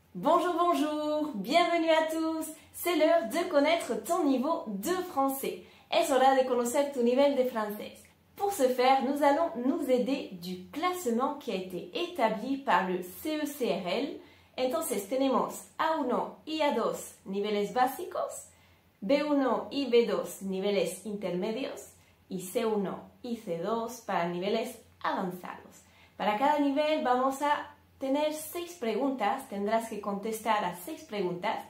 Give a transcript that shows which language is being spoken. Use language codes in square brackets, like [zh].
[fr] Bonjour, bonjour, bienvenue à tous. C'est l'heure de connaître ton niveau de français. [es] Es hora de conocer tu nivel de francés. [fr] Pour ce faire, nous allons nous aider du classement qui a été établi par le CECRL. [es] Entonces tenemos A1 y A2 niveles básicos, B1 y B2 niveles intermedios y C1 y C2 para niveles avanzados. Para cada nivel vamos a tener 6 preguntas, tendrás que contestar a 6 preguntas.